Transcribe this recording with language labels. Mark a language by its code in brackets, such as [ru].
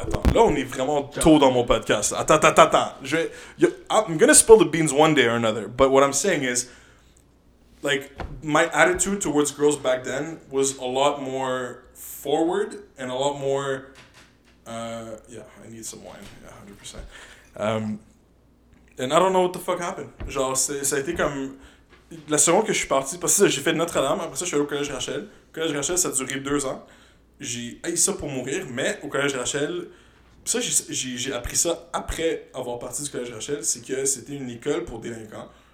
[fr] Attends, là, on est vraiment tôt dans mon podcast. Attends. [en] I'm going to spill the beans one day or another. But what I'm saying is, like, my attitude towards girls back then was a lot more forward and a lot more. Yeah, I need some wine. Yeah, 100%. And I don't know what the fuck happened. [fr] Genre, ça a été comme. La seconde que je suis parti, parce que j'ai fait Notre-Dame, après ça je suis allé au Collège Rachel. Au Collège Rachel, ça a duré 2 ans. J'ai haï ça pour mourir, mais au Collège Rachel, ça j'ai appris ça après avoir parti du Collège Rachel, c'est que c'était une école pour délinquants.